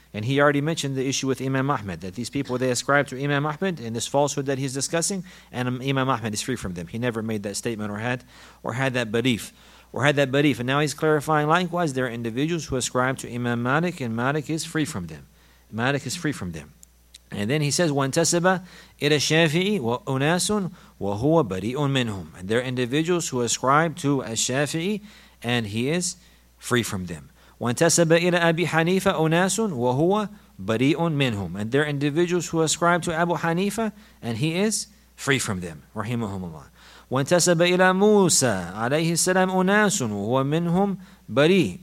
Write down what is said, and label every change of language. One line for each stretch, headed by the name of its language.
English: And he already mentioned the issue with Imam Ahmed, that these people, they ascribe to Imam Ahmed and this falsehood that he's discussing, and Imam Ahmed is free from them. He never made that statement or had that belief. And now he's clarifying, likewise, there are individuals who ascribe to Imam Malik, and Malik is free from them. Malik is free from them. And then he says,
Arabic: وَانْتَسَبَ إِلَى الشَّافِعِ وَأُنَاسٌ وَهُوَ بَرِيءٌ مِّنْهُمْ.
English: And there are individuals who ascribe to الشَّافِعِ, and he is free from them.
Arabic: وَانْتَسَبَ إِلَىٰ أَبِي حَنِيفَ أُنَاسٌ وَهُوَ بَرِيءٌ مِّنْهُمْ.
English: And there are individuals who ascribe to Abu Hanifa, and he is free from them.
Arabic: رحمهم الله. وَانْتَسَبَ إِلَىٰ مُوسَى عَلَيْهِ السَّلَامُ أُنَاسٌ وَهُوَ مِّنْهُمْ بَرِيءٌ.